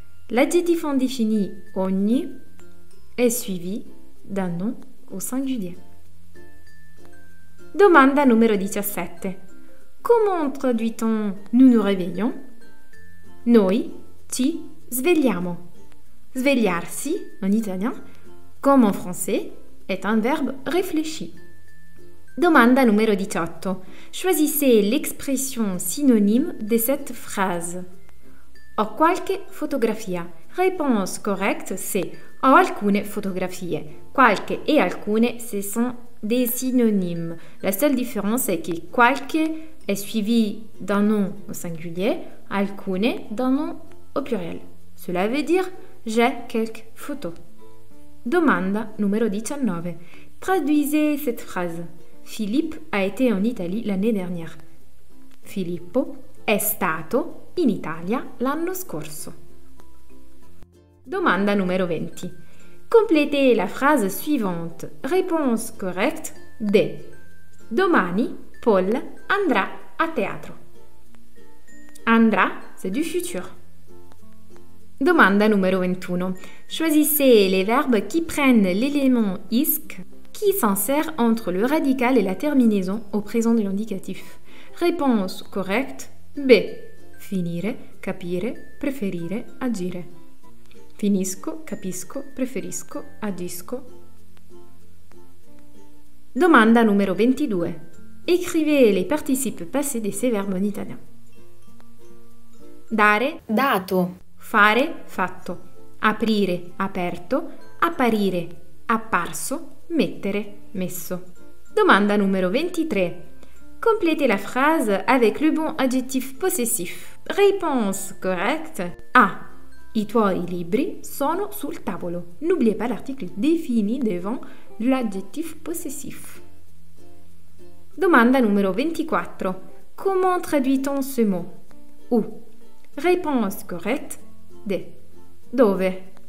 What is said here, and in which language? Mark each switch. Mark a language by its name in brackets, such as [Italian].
[French] L'adjectif indéfini ogni est suivi d'un nom au singulier. Domanda numéro 17. Comment traduit-on « nous nous réveillons » ? [Italian] Noi ci svegliamo. [French] Svegliarsi, en italien, comme en français, est un verbe réfléchi. Domanda numéro 18. Choisissez l'expression synonyme de cette phrase. [Italian] Ho qualche fotografia. [French] Réponse correcte, c'est [Italian] ho alcune fotografie. [French] Qualche et alcune, ce sont des synonymes. La seule différence est que qualche est suivi d'un nom au singulier, alcune d'un nom au pluriel. Cela veut dire j'ai quelques photos. Domanda numéro 19. Traduisez cette phrase. Philippe a été en Italie l'année dernière. [Italian] Filippo è stato in Italia l'anno scorso. [French] Domanda numéro 20. Complétez la phrase suivante. Réponse correcte D. [Italian] Domani Paul andrà a teatro. [French] Andrà, c'est du futur. Domanda numéro 21. Choisissez les verbes qui prennent l'élément isc qui s'insère entre le radical et la terminaison au présent de l'indicatif. Réponse correcte B. [Italian] Finire, capire, preferire, agire. Finisco, capisco, preferisco, agisco. [French] Domanda numéro 22. Écrivez les participes passés de ces verbes en italien. [Italian] dare, dato, fare, fatto, aprire, aperto, apparire, apparso, mettere, messo. Domanda numero 23. [French] Complétez la phrase avec le bon adjectif possessif. Réponse correcte. A. [Italian] I tuoi libri sono sul tavolo. [French] N'oubliez pas l'article défini devant l'adjectif possessif. [Italian] Domanda numero 24. [French] Comment traduit-on ce mot? Où? Réponse correcte. D. [Italian] Dove?